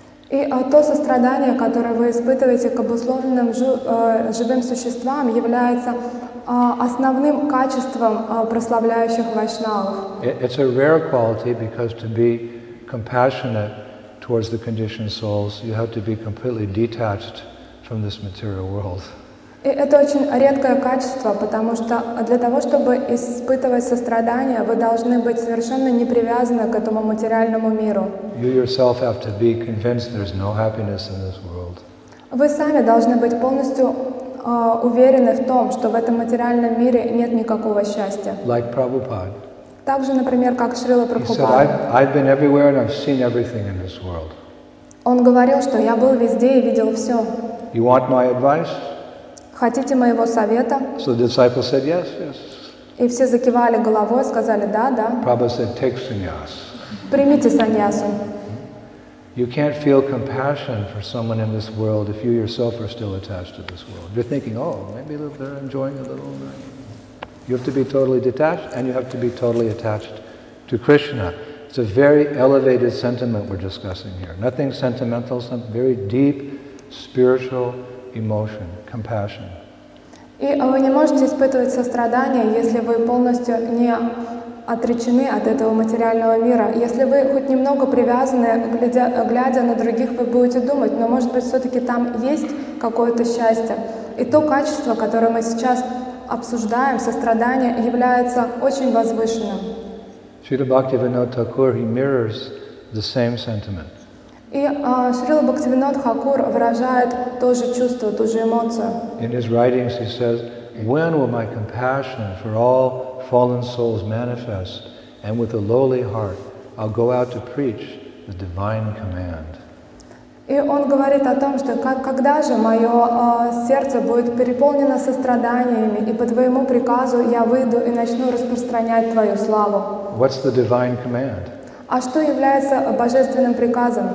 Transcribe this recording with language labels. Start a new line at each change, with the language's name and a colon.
Russian: И то сострадание, которое вы испытываете к обусловленным живым существам, является основным качеством прославляющих вайшнавов.
English: It's a rare quality because to be compassionate towards the conditioned souls, you have to be completely detached from this material world.
Russian: И это очень редкое качество, потому что для того, чтобы испытывать сострадание, вы должны быть совершенно не привязаны к этому материальному миру.
English: You yourself have to be convinced there's no happiness in this world.
Russian: Вы сами должны быть полностью уверены в том, что в этом материальном мире нет никакого счастья.
English: Like Prabhupada.
Russian: Также, например, как Шрила Прабхупада.
English: He said, I've been everywhere and I've seen everything in this world.
Russian: Он говорил, что я был везде и видел все.
English: You want my advice?
Russian: Хотите моего совета?
English: So the disciples said, yes, yes.
Russian: И все закивали головой, сказали, да, да.
English: Prabhupada said, take sannyas.
Russian: Примите саньясу.
English: You can't feel compassion for someone in this world if you yourself are still attached to this world. You're thinking, oh, maybe they're enjoying a little. You have to be totally detached and you have to be totally attached to Krishna. It's a very elevated sentiment we're discussing here. Nothing sentimental, some very deep spiritual emotion, compassion.
Russian: И вы не можете испытывать сострадание, если вы полностью не отречены от этого материального мира. Если вы хоть немного привязаны, глядя на других, вы будете думать, но может быть все-таки там есть какое-то счастье. И то качество, которое мы сейчас обсуждаем, сострадание, является очень возвышенным.
English: Śrīla Bhaktivinoda Thakur, he mirrors the same sentiment.
Russian: И Шрила Бхактивинода Хакур выражает то же чувство, ту же эмоцию.
English: In his writings he says, when will my compassion for all fallen souls manifest, and with a lowly heart I'll go out to preach the divine command.
Russian: И он говорит о том, что когда же мое сердце будет переполнено состраданиями, и по твоему приказу я выйду и начну распространять твою славу.
English: What's the divine command?
Russian: А что является божественным приказом?